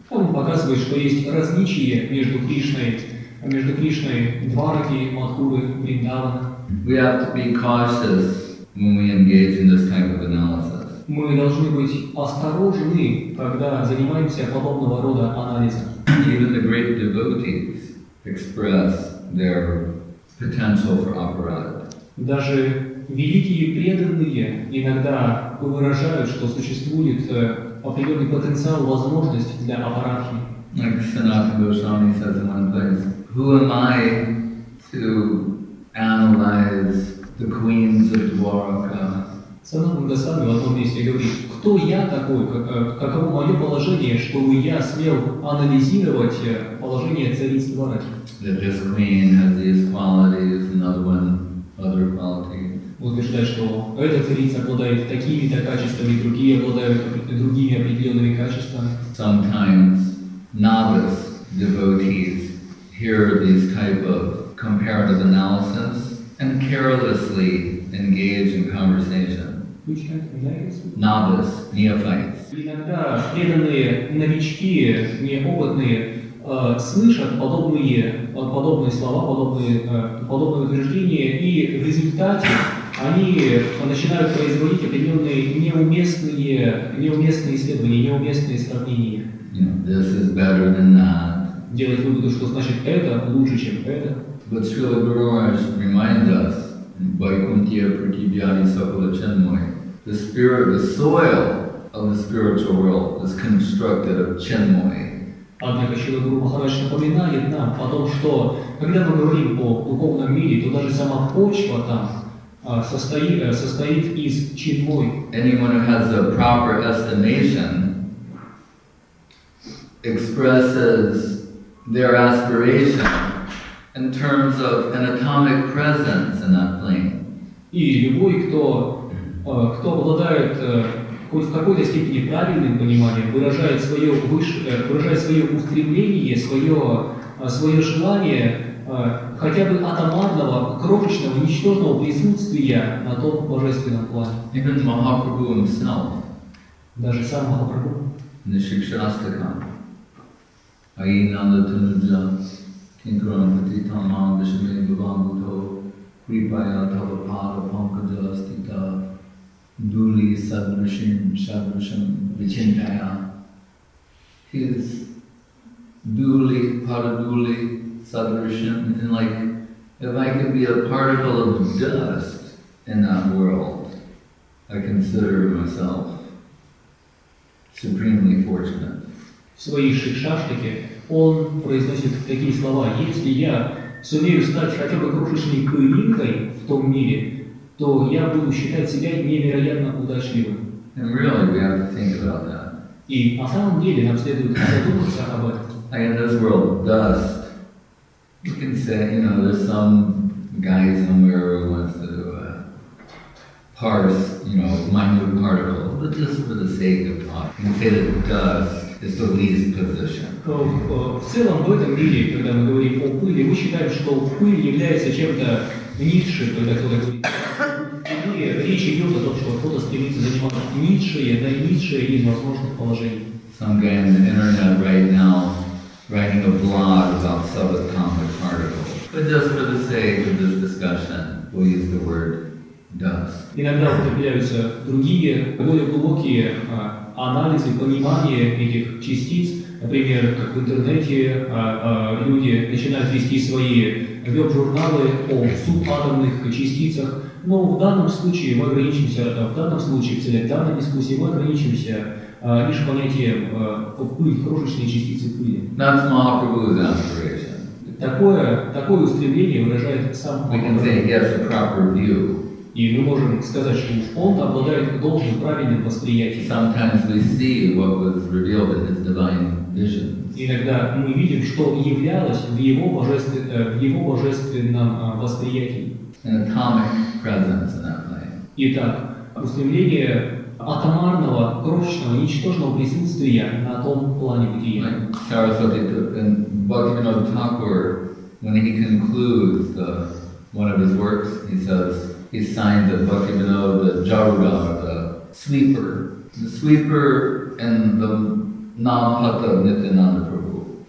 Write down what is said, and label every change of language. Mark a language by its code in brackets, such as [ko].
[ru] Он показывает, что есть различие между Кришной, Двараки, Мадхуры, Вриндавана. [en] We have to be cautious when we engage in this type of analysis. [ru] Мы должны быть осторожны, когда занимаемся подобного рода анализом. [en] Even the great devotees express their potential for aparada. [ru] Великие преданные иногда выражают, что существует определенный потенциал, возможность для аппаратхи. [en] Like Sanatana Goswami says in one place, who am I to analyze the queens of Dwaraka? [ru] Sanatana Goswami в одном месте говорит, кто я такой, каково мое положение, чтобы я смел анализировать положение цариц Двараки? [en] That this queen has these qualities, another one, other qualities. [ru] Утверждает, что эта царица обладает такими-то качествами, другие обладают другими определенными качествами. [en] Sometimes novice devotees hear these type of comparative analysis and carelessly engage in conversation. Which kind of analysis? Novice, neophytes. [ru] Иногда преданные новички, неопытные, слышат подобные слова, подобные утверждения, и в результате они начинают производить определенные неуместные исследования, неуместные сравнения. [en] You know, this is better than that. [ru] Делать выводы, что значит это лучше, чем это. [en] But Srila Guru Maharaj remind us, [sa] Vaikunthiya Prakibhyani Sakala Chinmoy, [en] the spirit, the soil of the spiritual world is constructed of Chinmoy. [ru] Однако Шрила Гуру Махарадж напоминает нам о том, что когда мы говорим о духовном мире, то даже сама почва там состоит из чинмой. [en] Anyone who has a proper estimation expresses their aspiration in terms of an atomic presence in that plane. [ru] И любой, кто обладает хоть в какой-то степени правильным пониманием, выражает свое устремление, свое желание хотя бы атомарного, крошечного, ничтожного присутствия на том божественном плане. [en] Even Mahaprabhu himself. [ru] Даже сам Махапрабху. [sa] Нишикшастака. Айинанда Тунуджа. Кинкурам Патитам Мамбишаме Бхагавату. Крипая Тавапада Панкаджа Астита. Duli sadrushim sadrushim vichintaya. [en] His [sa] duli paraduli sadrushim, [en] and like if I could be a particle of dust in that world, I consider myself supremely fortunate. [ru] В своей шикшаштике он произносит такие слова: если я сумею стать хотя бы крошечной пылинкой в том мире, то я буду считать себя невероятно удачливым. [en] And really, we have to think about that. [ru] И на самом деле нам следует задуматься об этом. [en] And in this world, dust. You can say, you know, there's some guy somewhere who wants to parse, you know, minute particle, but just for the sake of talk, you can say that dust. It's the least position. [ru] В целом в этом мире, когда мы говорим о пыли, мы считаем, что пыль является чем-то низшим, когда кто-то говорит. И речь идет о том, что кто-то стремится заниматься низшее из возможных положений. [en] Some guy on the internet right now writing a blog about subatomic particles. But just for the sake of this discussion, we'll use the word dust. [ru] Иногда употребляются другие, более глубокие анализы, понимание этих частиц. Например, как в интернете люди начинают вести свои веб-журналы о субатомных частицах. Но в данном случае мы ограничимся, в целях данной дискуссии мы ограничимся лишь понятием пыль, крошечные частицы пыли. [en] That's Mahaprabhu's aspiration. [ru] Такое устремление выражает сам Mahaprabhu. И мы можем сказать, что он обладает должным правильным восприятием. [en] Sometimes we see what was revealed in his divine visions. [ru] Иногда мы видим, что являлось в его божественном восприятии. [en] An atomic presence in that way. [ru] Итак, устремление атомарного, крошечного, ничтожного присутствия на том плане бытия. [en] Sarasvati and Bhaktivinoda Thakur, when he concludes one of his works, he says, he signed the Bhaktivinoda, the Jaruga, the sweeper. The sweeper and the Namahata Nityananda Prabhu.